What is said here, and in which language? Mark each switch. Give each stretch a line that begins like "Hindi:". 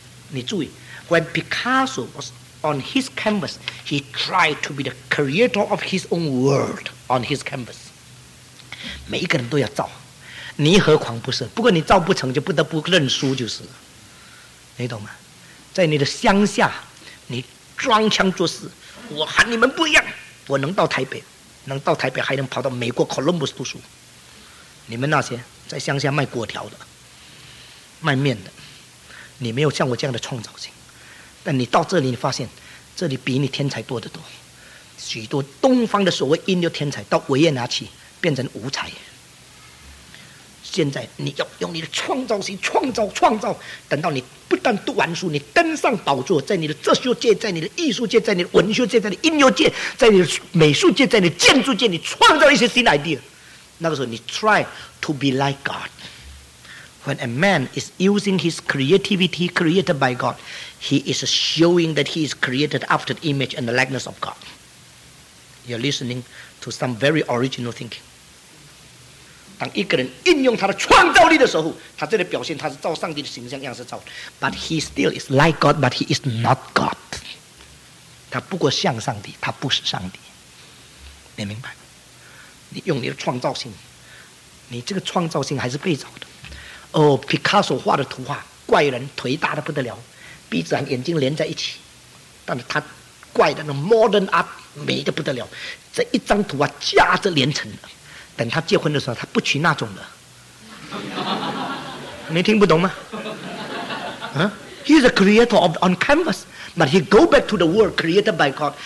Chinese: 你注意
English: When Picasso was on his canvas, he tried to be the creator of his own world on his canvas.
Chinese: 每一个人都要造，你何况不是？不过你造不成就不得不认输就是了。你懂吗？在你的乡下，你装腔作势，我喊你们不一样，我能到台北，能到台北还能跑到美国 Columbus 读书。你们那些在乡下卖果条的卖面的，你没有像我这样的创造性，但你到这里，你发现这里比你天才多得多。许多东方的所谓音乐天才到维也纳去变成无才。现在你要用你的创造性创造创造，等到你不但读完书，你登上宝座，在你的哲学界，在你的艺术界，在你的文学界，在你的音乐界，在你的美术界，在你的建筑界，你创造一些新 idea。那个时候，你
English: try to be like God。 When a man is using his creativity created by God, he is showing that he is created after the image and the likeness of God. You're listening to some very original thinking.
Chinese: 当一个人应用他的创造力的时候，他这里表现他是照上帝的形象样式造。
English: But he still is like God, but he is not God.
Chinese: 他不过像上帝，他不是上帝。你明白？你用你的创造性，你这个创造性还是被造的。哦，皮卡索画的图画，怪人腿大得不得了，鼻子和眼睛连在一起，但是他怪的那 modern art 美得不得了，这一张图啊价值连城的，等他结婚的时候他不娶那种的，你听不懂吗？
English: He is a creator of on canvas, but he go back to the world created by God.